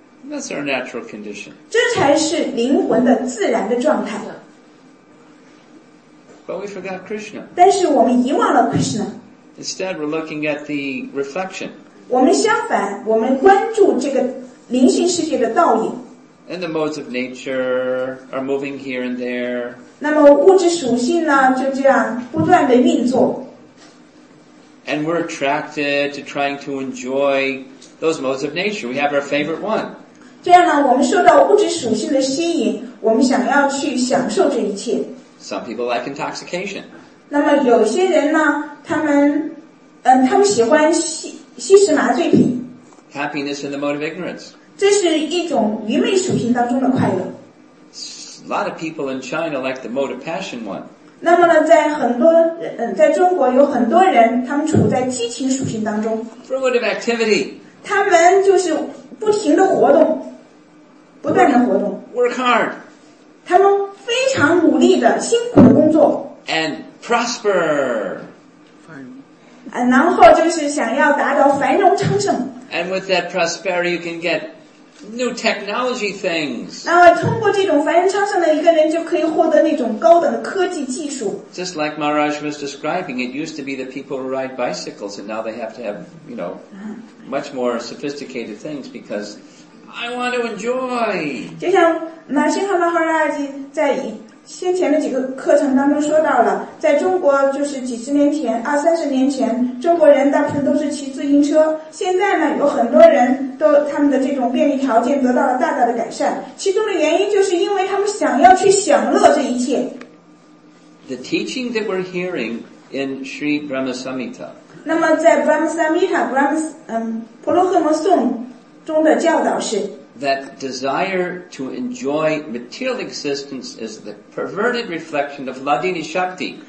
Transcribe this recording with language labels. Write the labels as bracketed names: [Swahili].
[English] That's our natural condition. [Chinese] 这才是灵魂的自然的状态。 [English] But we forgot Krishna. [Chinese] 但是我们遗忘了 Krishna. [English] Instead, we're looking at the reflection. [Chinese] 我们相反，我们关注这个灵性世界的倒影。 [English] And the modes of nature are moving here and there. [Chinese] 那么物质属性呢，就这样不断的运作。 [English] And we're attracted to trying to enjoy those modes of nature. We have our favorite one. [Chinese] 这样呢，我们受到物质属性的吸引，我们想要去享受这一切。 [English] Some people like intoxication. [Chinese] 那么有些人呢，他们喜欢吸食麻醉品。 [English] Happiness in the mode of ignorance. [Chinese] 这是一种愚昧属性当中的快乐。 [English] A lot of people in China like the mode of passion one. [Chinese] 那么呢，在很多在中国有很多人，他们处在激情属性当中。 [English] Fruitive activity. [Chinese] 他们就是不停的活动，不断的活动。 [English] Work hard. [Chinese] 他们非常努力的、辛苦的工作。 [English] And prosper. [Chinese] 然后就是想要达到繁荣昌盛。 [English] And with that prosperity, you can get new technology things. [Chinese] 那么通过这种繁荣昌盛的一个人，就可以获得那种高等的科技技术。 [English] Just like Maharaj was describing, it used to be that people would ride bicycles, and now they have to have, you know, much more sophisticated things because I want to enjoy. [Chinese] 就像马先和马哈拉吉在先前的几个课程当中说到了，在中国就是几十年前，二三十年前，中国人大部分都是骑自行车。现在呢，有很多人都他们的这种便利条件得到了大大的改善，其中的原因就是因为他们想要去享乐这一切。 [English] The teaching that we're hearing in Sri Brahmasamhita. [Chinese] 那么在 Brahmasamhita Brahmas 婆罗诃摩颂中的教导是。 [English] That desire to enjoy material existence is the perverted reflection of Ladini Shakti.